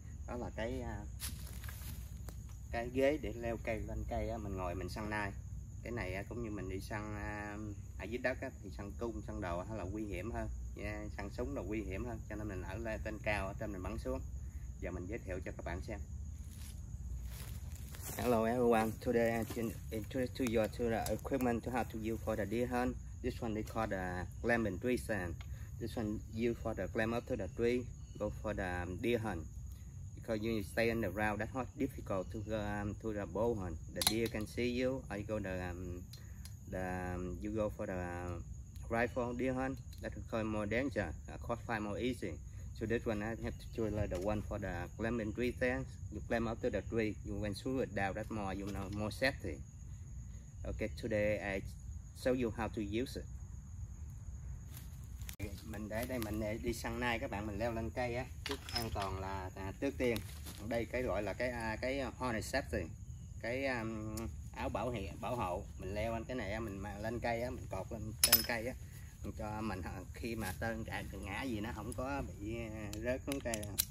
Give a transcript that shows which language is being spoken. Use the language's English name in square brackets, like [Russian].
[Vietnamese] Đó là cái ghế để leo cây lên cây mình ngồi mình săn nai. Cái này cũng như mình đi săn ở dưới đất thì săn cung, săn đồ hay là nguy hiểm hơn, săn súng là nguy hiểm hơn, cho nên mình ở lên trên cao ở trên mình bắn xuống. Giờ mình giới thiệu cho các bạn xem. [English] Hello everyone, today I introduce to you to the equipment to how to use for the deer hunt. This one they call the climbing tree stand. This one used for the climb up to the tree, go for the deer hunt. Because you stay on the ground, that's not difficult to the bow hunt. The deer can see you. I go you go for the rifle deer hunt. That will cause more danger, cause fire more easy. So this one I have to choose like the one for the climbing tree stand. You climb up to the tree. You went through it down. That's more, you know, more safety. Okay, today I show you how to use it. [Vietnamese] Mình để đây, mình đi săn nai các bạn, mình leo lên cây á, trước an toàn là trước tiên. Đây cái gọi là cái harness safety, cái áo bảo hiểm bảo hộ. Mình leo lên cái này á, mình mang lên cây á, mình cột lên trên cây á, mình cho mình khi mà tên ngã gì nó không có bị rớt xuống cây.